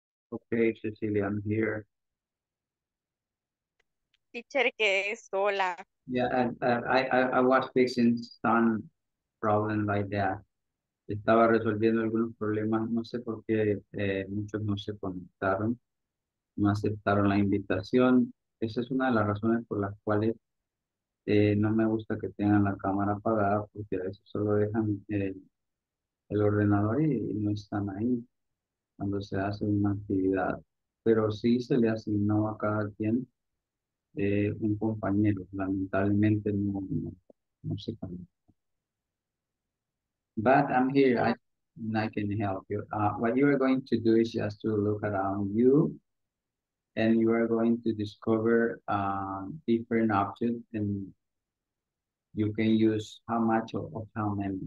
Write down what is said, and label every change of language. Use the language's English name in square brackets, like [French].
[English] Okay, Cecilia, I'm here. [Spanish] Teacher, que es sola. [English] Yeah, I was fixing some problem like that. [Spanish] Estaba resolviendo algunos problemas. No sé por qué muchos no se conectaron. No aceptaron la invitación. Esa es una de las razones por las cuales no me gusta que tengan la cámara apagada, porque a veces solo dejan el ordenador y no están ahí cuando se hace una actividad. Pero sí se le asignó a cada quien un compañero. Lamentablemente no se conectó. [English] But I'm here, and I can help you. What you are going to do is just to look around you, and you are going to discover different options, and you can use how much of how many.